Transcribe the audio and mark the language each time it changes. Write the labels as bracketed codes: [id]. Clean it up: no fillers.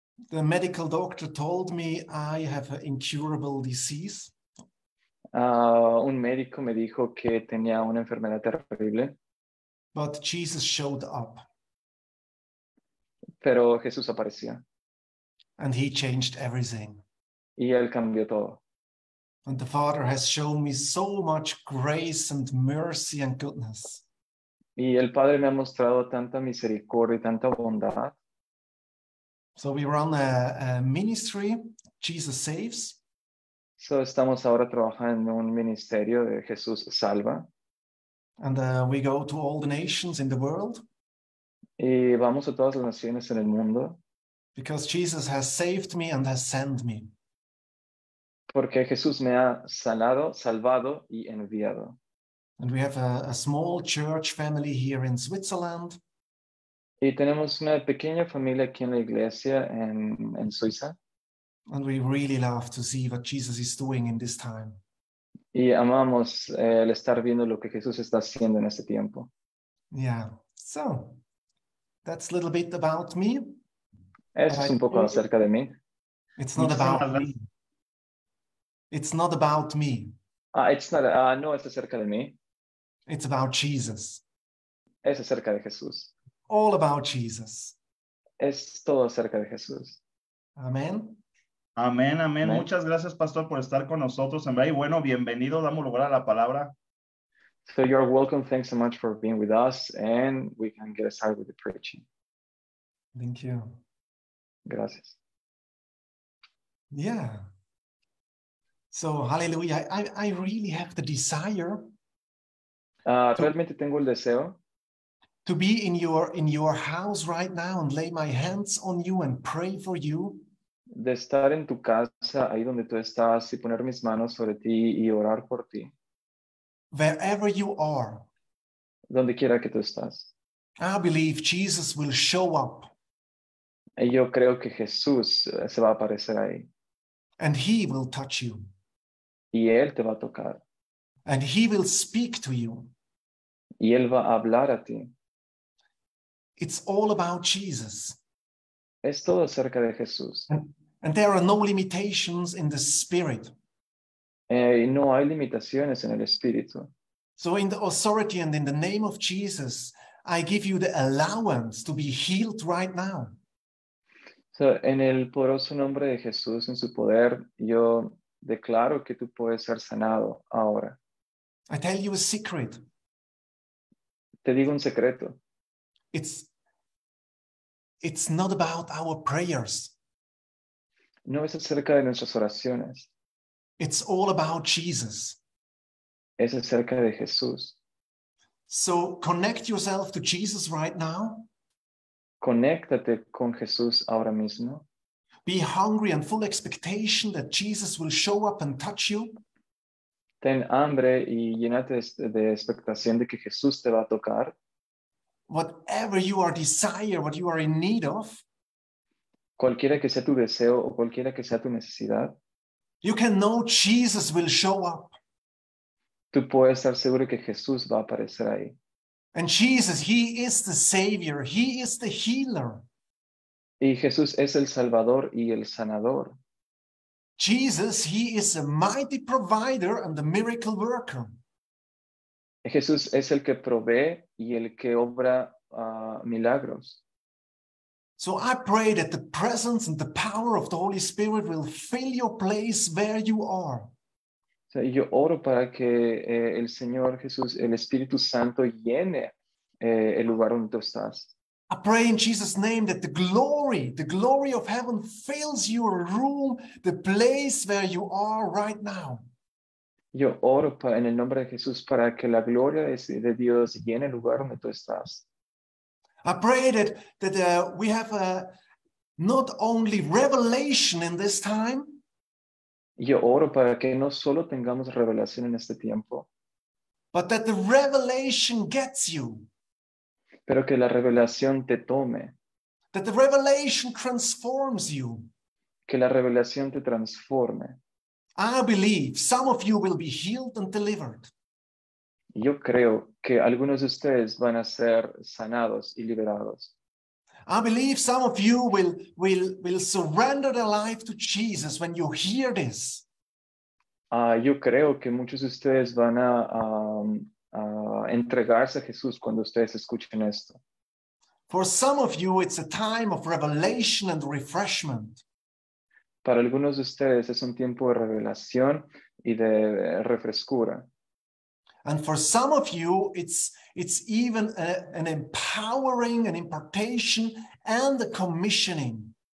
[en] The medical doctor told me I have an incurable disease. [es] Un médico me dijo que tenía una enfermedad terrible. [en] But Jesus showed up. [es] Pero Jesús aparecía. [en] And he changed everything. [es] Y él cambió todo. [en] And the Father has shown me so much grace and mercy and goodness. [es] Y el Padre me ha mostrado tanta misericordia y tanta bondad. [en] So we run a ministry, Jesus Saves. [es] So estamos ahora trabajando en un ministerio de Jesús Salva. [en] And we go to all the nations in the world. [es] Y vamos a todas las naciones en el mundo. [en] Because Jesus has saved me and has sent me. [es] Porque Jesús me ha sanado, salvado y enviado. [en] And we have a small church family here in Switzerland. [es] Y tenemos una pequeña familia aquí en la iglesia en Suiza. [en] And we really love to see what Jesus is doing in this time. [es] Y amamos el estar viendo lo que Jesús está haciendo en este tiempo. [en] Yeah, so that's a little bit about me. [es] Eso es un poco acerca de mí. [en] It's not about me. It's not about me. [es] No, es acerca de mí. [en] It's about Jesus. [es] Es acerca de Jesús. [en] All about Jesus. [es] Es todo acerca de Jesús. Amén. Amén, amén. Muchas gracias, Pastor, por estar con nosotros. Y bueno, bienvenido. Damos lugar a la palabra. [en] So you're welcome. Thanks so much for being with us. And we can get started with the preaching. Thank you. [es] Gracias. [en] Yeah. So, hallelujah. I really have the desire. [es] Realmente tengo el deseo. [en] To be in your house right now and lay my hands on you and pray for you. [es] De estar en tu casa, ahí donde tú estás, y poner mis manos sobre ti y orar por ti. [en] Wherever you are. [es] Donde quiera que tú estás. [en] I believe Jesus will show up. [es] Y yo creo que Jesús se va a aparecer ahí. [en] And he will touch you. [es] Y él te va a tocar. [en] And he will speak to you. [es] Y él va a hablar a ti. [en] It's all about Jesus. [es] Es todo acerca de Jesús. [en] And there are no limitations in the spirit. [es] No hay limitaciones en el espíritu. [en] So in the authority and in the name of Jesus, I give you the allowance to be healed right now. [es] So en el poderoso nombre de Jesús, en su poder, yo declaro que tú puedes ser sanado ahora. [en] I tell you a secret. [es] Te digo un secreto. [en] It's not about our prayers. [es] No es acerca de nuestras oraciones. [en] It's all about Jesus. [es] Es acerca de Jesús. [en] So connect yourself to Jesus right now. [es] Conéctate con Jesús ahora mismo. [en] Be hungry and full expectation that Jesus will show up and touch you. [es] Ten hambre y llénate de expectación de que Jesús te va a tocar. [en] Whatever you are desire, what you are in need of. [es] Cualquiera que sea tu deseo o cualquiera que sea tu necesidad. [en] You can know Jesus will show up. [es] Tú puedes estar seguro que Jesús va a aparecer ahí. [en] And Jesus, he is the Savior. He is the healer. [es] Y Jesús es el Salvador y el Sanador. [en] Jesus, he is a mighty provider and the miracle worker. [es] Jesús es el que provee y el que obra milagros. [en] So I pray that the presence and the power of the Holy Spirit will fill your place where you are. [es] Yo oro para que el Señor Jesús, el Espíritu Santo, llene el lugar donde tú estás. [en] I pray in Jesus' name that the glory of heaven fills your room, the place where you are right now. [es] Yo oro en el nombre de Jesús para que la gloria de Dios llene el lugar donde tú estás. [en] I pray that we have not only revelation in this time. [es] Yo oro para que no solo tengamos revelación en este tiempo. [en] But that the revelation gets you. [es] Pero que la revelación te tome. [en] That the revelation transforms you. [es] Que la revelación te transforme. [en] I believe some of you will be healed and delivered. [es] Yo creo que algunos de ustedes van a ser sanados y liberados. [en] I believe some of you will surrender their life to Jesus when you hear this. [es] Yo creo que muchos de ustedes van a entregarse a Jesús cuando ustedes escuchen esto. [en] For some of you, it's a time of revelation and refreshment. [es] Para algunos de ustedes es un tiempo de revelación y de refrescura. [en] And for some of you, it's even an empowering, an impartation, and a commissioning.